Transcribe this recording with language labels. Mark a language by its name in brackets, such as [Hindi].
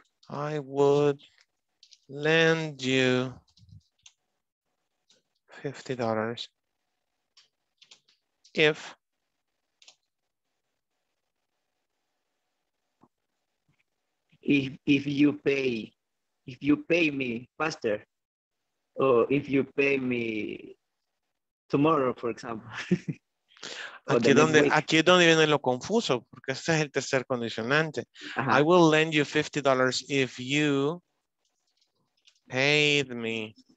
[English] I would lend you $50 if... If you pay me faster, or if you pay me tomorrow, for example. [Spanish] aquí es donde viene lo confuso, porque este es el tercer condicionante. Uh-huh. [English] I will lend you $50 if you paid me.